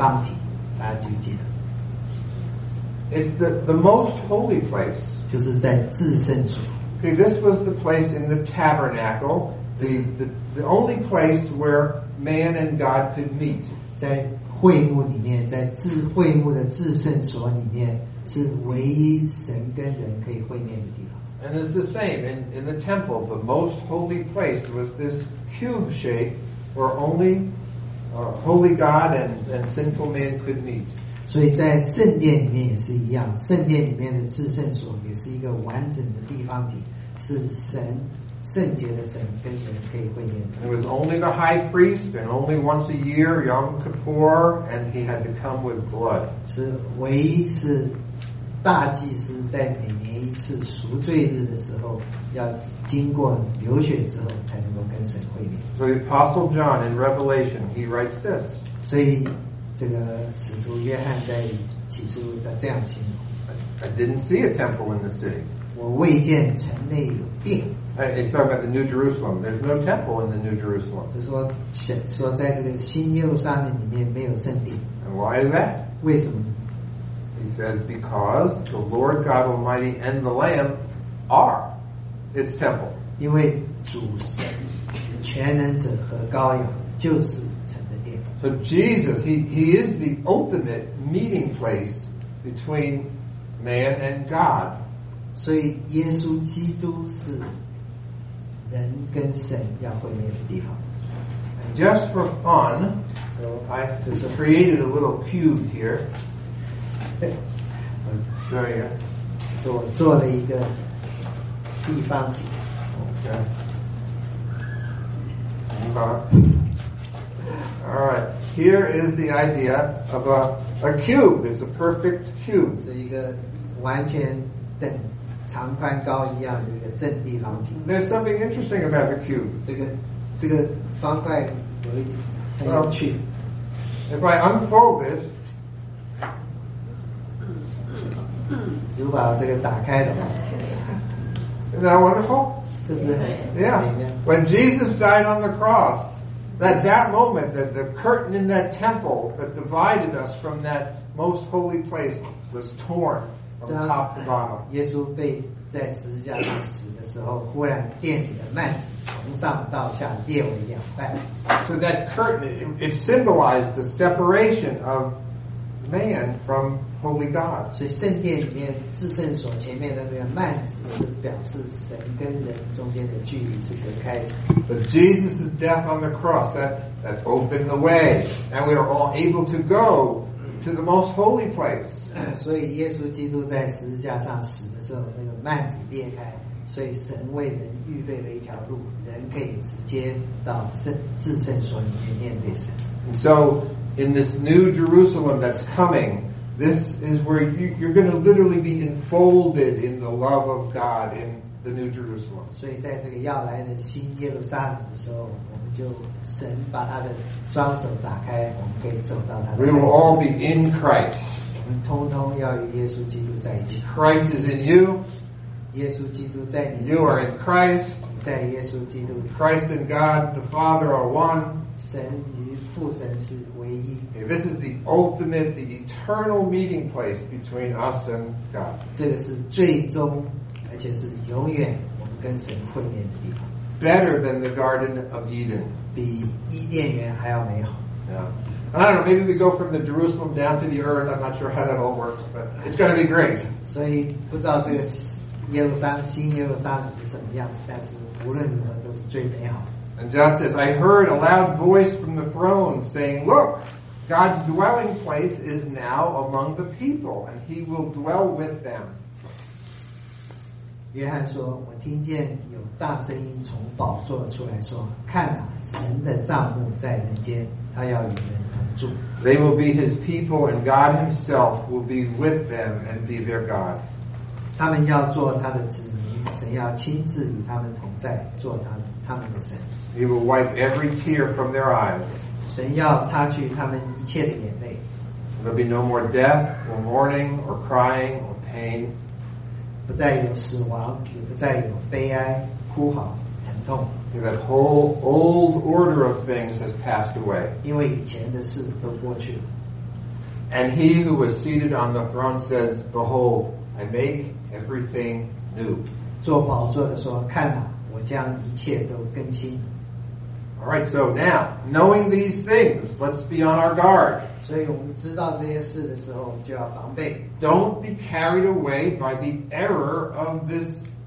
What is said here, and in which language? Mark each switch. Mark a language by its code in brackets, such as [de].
[zh] 所以这里给大家一个观点，在圣经里面什么地方提到一个完整、完全的正方体？大家记不记得？ [en] It's the most holy place. [zh] 就是在至圣所。 [en] Okay, this was the place in the tabernacle, the only place where man and God could meet. [zh] 在会幕里面，在至会幕的至圣所里面，是唯一神跟人可以会面的地方。 [en] And it's the same in the temple, the most holy place was this cube shape where only holy God and sinful man could meet. [zh] 所以在圣殿里面也是一样，圣殿里面的至圣所也是一个完整的地方体。 是神圣洁的神跟人可以会面。 [en] It was only the high priest, and only once a year, Yom Kippur, and he had to come with blood. [zh] 是唯一是大祭司在每年一次赎罪日的时候，要经过流血之后才能够跟神会面。 [en] So the Apostle John in Revelation, he writes this. [zh] 所以这个使徒约翰在起初他这样形容。 [en] I didn't see a temple in the city. [zh] 我未见城内有殿。 [en] He's talking about the New Jerusalem. There's no temple in the New Jerusalem. [zh] 说在这个新耶路撒冷里面没有圣殿。 [en] And why is that? [zh] 为什么？ [en] He says, because the Lord God Almighty and the Lamb are its temple. [zh] 因为主神、全能者和羔羊就是城的殿。 [en] So Jesus, he is the ultimate meeting place between man and God. [zh] 所以耶稣基督是人跟神要会面的地方。 [en] And just for fun, so I just created a little cube here. I'll show you. [zh] 所以我做了一个立方体。 [en] Okay. All right. Here is the idea of a cube. It's a perfect cube. [zh] 是一个完全等。长宽高一样的一个正立方体。 [en] There's something interesting about the cube. [zh] 这个方块有一点很有趣。 [en] If I unfold it, [zh] 如果把这个打开的话 [en] ，Is that wonderful? [zh] 是不是很 [en] ？Yeah. When Jesus died on the cross, that moment, that the curtain in that temple that divided us from that most holy place was torn. Top to bottom. [zh] 耶稣被在十字架上死的时候，忽然殿里的幔子从上到下裂为两半。 [en] So that curtain it symbolized the separation of man from holy God. [zh] 所以圣殿里面至圣所前面的那个幔子是表示神跟人中间的距离是隔开的。 [en] But Jesus' death on the cross that opened the way, and we are all able to go to the most holy place. [zh] 所以耶稣基督在十字架上死的时候，那个幔子裂开，所以神为人预备了一条路，人可以直接到至圣所里面面对神。 [en] So in this new Jerusalem that's coming, this is where you're going to literally be enfolded in the love of God in the new Jerusalem. [zh] 所以在这个要来的新耶路撒冷的时候，我们就神把他的双手打开，我们可以走到他的。 [en] We will all be in Christ. [zh] 通通要与耶稣基督在一起。 [en] Christ is in you. [zh] 耶稣基督在你。 [en] You are in Christ. [zh] 在耶稣基督。 [en] Christ and God the Father are one. [zh] 神与父神是唯一。 [en] Okay, this is the ultimate, the eternal meeting place between us and God. [zh] 这个是最终，而且是永远我们跟神会面的地方。 [en] Better than the Garden of Eden. [zh] 比伊甸园还要美好。 [en] Yeah. I don't know, maybe we go from the Jerusalem down to the earth. I'm not sure how that all works, but it's going to be great. So, I don't know this Jerusalem, new Jerusalem is what it is, but regardless, it's the most beautiful. And John says, I heard a loud voice from the throne saying, Look, God's dwelling place is now among the people, and he will dwell with them. [zh] 约翰说，我听见有大声音从宝座出来说，看啊，神的帐幕在人间，他要与人。 [en] They will be his people, and God himself will be with them and be their God. [zh] 他们要做他的子民，神要亲自与他们同在，做他们的神。 [en] He will wipe every tear from their eyes. [zh] 神要擦去他们一切的眼泪。 [en] There will be no more death, or mourning, or crying, or pain. [zh] 不再有死亡，也不再有悲哀、哭嚎。 [en] Yeah, that whole old order of things has passed away. [zh] 因为以前的事都过去了。 [en] And he who was seated on the throne says, Behold, I make everything new. [zh] 做宝座的说，看啊，我将一切都更新。 [en] All right, so now, knowing these things, let's be on our guard. [zh] 所以我们知道这些事的时候，就要防备。 [en] Don't be carried away by the error of this...